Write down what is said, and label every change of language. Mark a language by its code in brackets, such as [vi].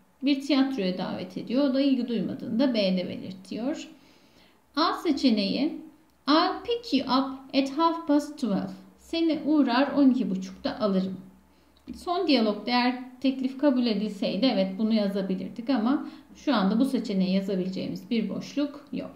[tr] Bir tiyatroya davet ediyor. O da ilgi duymadığını da B'de belirtiyor. A seçeneği [en] I'll pick you up at half past 12. [tr] Seni uğrar 12.30'da alırım. Son diyalog eğer teklif kabul edilseydi evet bunu yazabilirdik ama şu anda bu seçeneği yazabileceğimiz bir boşluk yok.